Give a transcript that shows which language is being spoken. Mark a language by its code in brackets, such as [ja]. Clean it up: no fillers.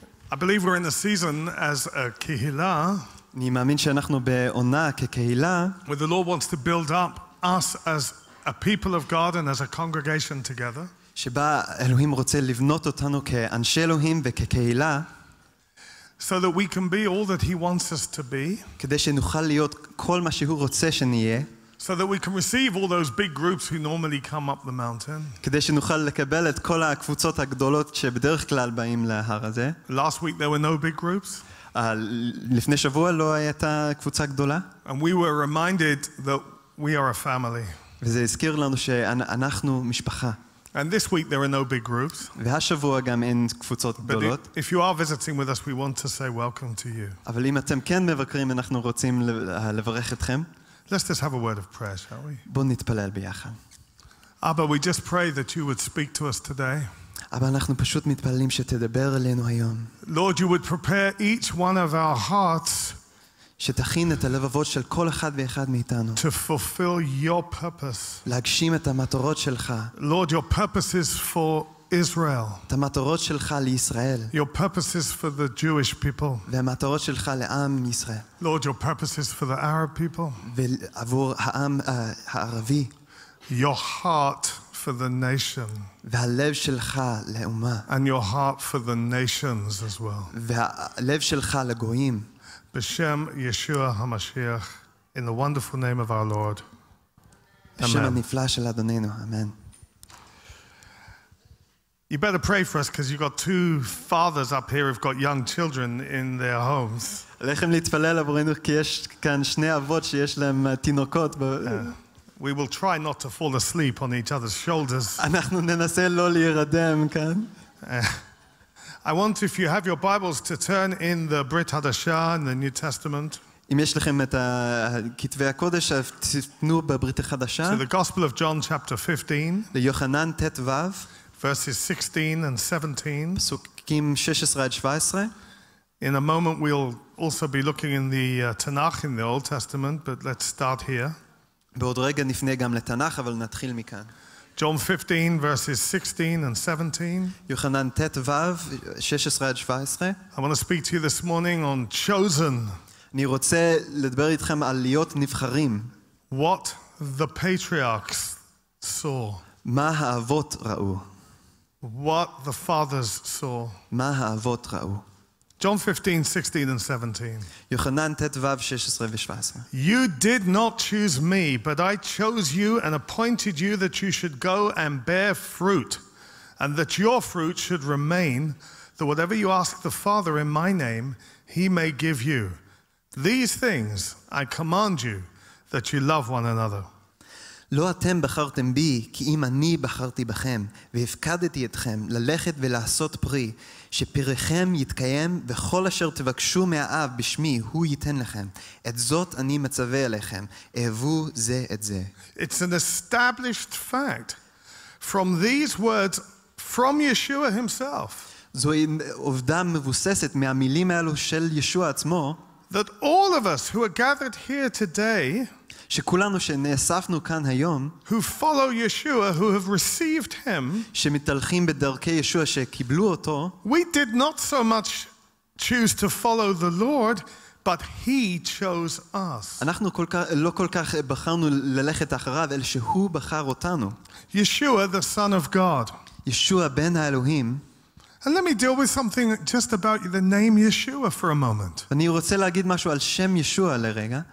[en] I believe we're in a season as a kehilah. [he] אני מאמין שאנחנו בעונה כקהילה. [en] Where the Lord wants to build up us as a people of God and as a congregation together. [he] שבה אלוהים רוצה לבנות אותנו כאנשי אלוהים וכקהילה. [en] So that we can be all that He wants us to be. [he] כדי שנוכל להיות כל מה שהוא רוצה שנהיה. [en] So that we can receive all those big groups who normally come up the mountain. [he] כדי שנוכל לקבל את כל הקבוצות הגדולות שבדרך כלל באים להר הזה. [en] Last week there were no big groups. [he] לפני שבוע לא הייתה קבוצה גדולה. [en] And we were reminded that we are a family. [he] וזה הזכיר לנו שאנחנו משפחה. [en] And this week there are no big groups. [he] והשבוע גם אין קבוצות גדולות. [en] If you are visiting with us, we want to say welcome to you. [he] אבל אם אתם כן מבקרים, אנחנו רוצים לברך אתכם. [en] Let's just have a word of prayer, shall we? [he] בוא נתפלל ביחד. [en] Abba, we just pray that you would speak to us today. [he] אבל אנחנו פשוט מתפללים שתדבר אלינו היום. [en] Lord, you would prepare each one of our hearts. [he] שתכין את הלבבות של כל אחד ואחד מאיתנו. [en] To fulfill your purpose. [he] להגשים את המטרות שלך. [en] Lord, your purpose is for Israel. [he] את המטרות שלך לישראל. [en] Your purpose is for the Jewish people. [he] והמטרות שלך לעם ישראל. [en] Lord, your purpose is for the Arab people. [he] ועבור העם הערבי. [en] Your heart for the nation. [he] והלב שלך לאומה. [en] And your heart for the nations as well. [he] והלב שלך לגויים. בשם ישוע המשיח, [en] in the wonderful name of our Lord. [he] בשם הנפלא של אדוננו, אמן. [en] You better pray for us because you've got two fathers up here who've got young children in their homes. [he] עליכם להתפלל עבורנו כי יש כאן שני אבות שיש להם תינוקות. [en] We will try not to fall asleep on each other's shoulders. [he] אנחנו ננסה לא להירדם כאן. [en] I want, if you have your Bibles, to turn in the Brit Hadashah in the New Testament. [he] אם יש לכם את כתבי הקודש, תתנו בברית החדשה. [en] To the Gospel of John, chapter 15. [he] ליוחנן ט' וו. [en] Verses 16 and 17. [he] פסוקים 16 עד 17. [en] In a moment we'll also be looking in the Tanakh in the Old Testament, but let's start here. [he] בעוד רגע נפנה גם לתנ"ך, אבל נתחיל מכאן. [en] John 15, verses 16 and 17. [he] יוחנן ט' וו, 16 עד 17. [en] I want to speak to you this morning on chosen. [he] אני רוצה לדבר איתכם על להיות נבחרים. [en] What the patriarchs saw. [he] מה האבות ראו. [en] What the fathers saw. [he] מה האבות ראו. [en] John 15, 16 and 17. [he] יוחנן ט' וו, 16 ו-17. [en] You did not choose me, but I chose you and appointed you that you should go and bear fruit, and that your fruit should remain, that whatever you ask the Father in my name, he may give you. These things I command you, that you love one another. [he] לא אתם בחרתם בי, כי אם אני בחרתי בכם, והפקדתי אתכם ללכת ולעשות פרי, שפריכם יתקיים, וכל אשר תבקשו מהאב בשמי, הוא ייתן לכם. את זאת אני מצווה אליכם, אהבו זה את זה. [en] It's an established fact. From these words, from Yeshua himself. [he] זו עובדה מבוססת מהמילים האלו של ישוע עצמו. [en] That all of us who are gathered here today, [he] שכולנו שנאספנו כאן היום, [en] who follow Yeshua, who have received him, [he] שמתהלכים בדרכי ישוע שקיבלו אותו, [en] we did not so much choose to follow the Lord, but he chose us. [he] אנחנו לא כל כך בחרנו ללכת אחריו, אלא שהוא בחר אותנו. [en] Yeshua, the Son of God. [he] ישוע בן האלוהים. [en] And let me deal with something just about the name Yeshua for a moment. [he] אני רוצה להגיד משהו על שם ישוע לרגע.